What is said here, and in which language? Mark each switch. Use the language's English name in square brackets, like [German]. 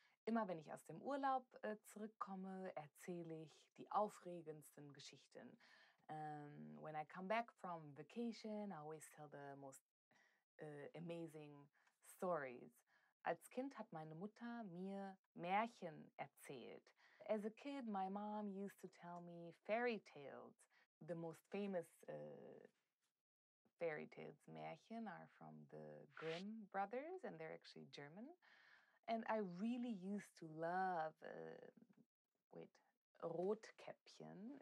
[German] Immer wenn ich aus dem Urlaub zurückkomme, erzähle ich die aufregendsten Geschichten. [English] When I come back from vacation, I always tell the most amazing stories. [German] Als Kind hat meine Mutter mir Märchen erzählt. [English] As a kid, my mom used to tell me fairy tales. The most famous fairy tales, Märchen, are from the Grimm brothers, and they're actually German. And I really used to love, Rotkäppchen.